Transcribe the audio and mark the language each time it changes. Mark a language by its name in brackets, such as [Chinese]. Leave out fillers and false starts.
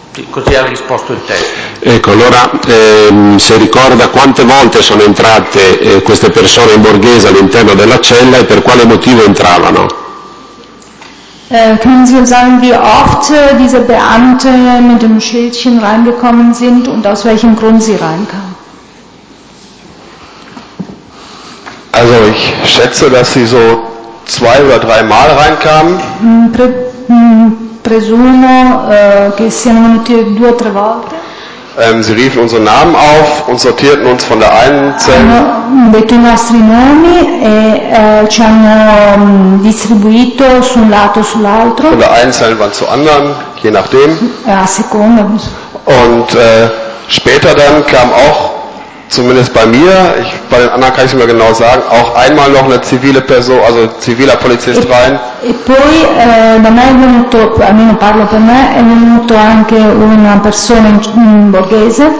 [Italian] Così ha risposto il testo. Ecco, allora se ricorda quante volte sono entrate queste persone in borghese all'interno della cella e per quale motivo entravano? [German] Können Sie sagen, wie oft diese Beamte mit dem Schildchen reingekommen sind und aus welchem Grund sie reinkamen? Also ich schätze, dass sie so zwei oder drei Mal reinkamen. [Italian] Presumo che siano venuti due o tre volte. [German] Sie riefen unseren Namen auf und sortierten uns von der einen Zelle. [Italian] Hanno detto i nostri nomi e ci hanno distribuito su un lato o sull'altro. [German] Von der einen Zelle waren zu anderen, je nachdem. [Italian] A seconda. [German] Und später dann kam auch, zumindest bei mir, bei den anderen kann ich es mir genau sagen, auch einmal noch eine zivile Person, also ziviler Polizist rein. [Italian] E poi da me è venuto, almeno parlo per me, è venuto anche una persona in borghese,